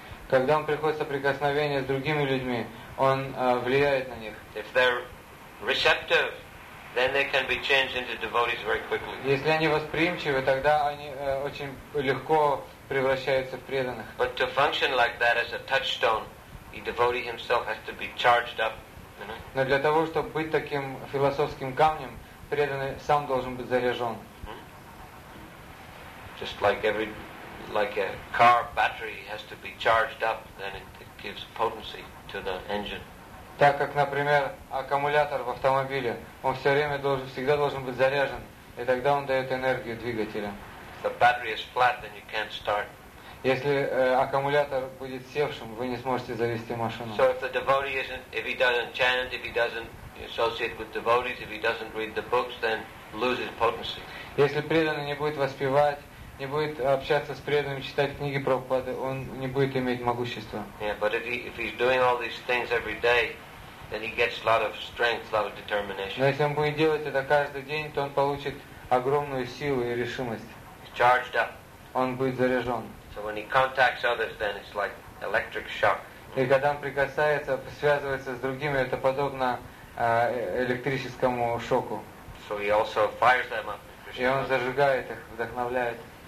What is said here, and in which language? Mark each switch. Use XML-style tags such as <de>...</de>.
<ru>Когда он приходит соприкосновение с другими людьми, он влияет на них.</ru> <en>If they're receptive, then they can be changed into devotees very quickly.</en> <ru>Если они восприимчивы, тогда они очень легко превращаются в преданных.</ru> <en>But to function like that as a touchstone, the devotee himself has to be charged up. You know?</en> <ru>Но для того, чтобы быть таким философским камнем, преданный сам должен быть заряжен.</ru> <en>Just like every, like a car battery has to be charged up, then it gives potency to the engine.</en> <ru>Так как, например, аккумулятор в автомобиле, он все время должен, всегда должен быть заряжен, и тогда он дает энергию двигателя.</ru> <en>If the battery is flat, then you can't start.</en> <ru>Если аккумулятор будет севшим, вы не сможете завести машину.</ru> <en>So if the devotee isn't, if he doesn't chant, if he doesn't associate with devotees, if he doesn't read the books, then loses potency.</en> <ru>Если преданный не будет воспевать, не будет общаться с преданным, читать книги Прабхупады, он не будет иметь могущества.</ru> <en>Yeah, but if he's doing all these things every day, then he gets a lot of strength, a lot of determination.</en> <ru>Но если он будет делать это каждый день, то он получит огромную силу и решимость.</ru> <en>He's charged up.</en> <ru>Он будет заряжен.</ru> <en>So when he contacts others, then it's like electric shock.</en> <ru>И когда он прикасается, связывается с другими, это подобно электрическому шоку.</ru> <en>So he also fires them up.</en> <ru>И он зажигает их, вдохновляет.</ru>